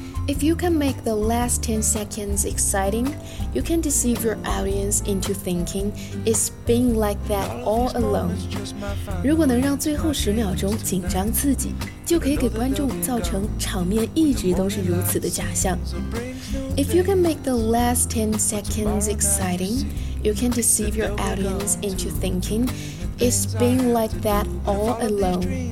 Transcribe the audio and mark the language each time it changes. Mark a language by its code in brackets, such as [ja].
[en] If you can make the last 10 seconds exciting, you can deceive your audience into thinking it's been like that all along. [zh] 如果能让最后十秒钟紧张刺激，就可以给观众造成场面一直都是如此的假象。 [en] If you can make the last 10 seconds exciting, you can deceive your audience into thinking it's been like that all along.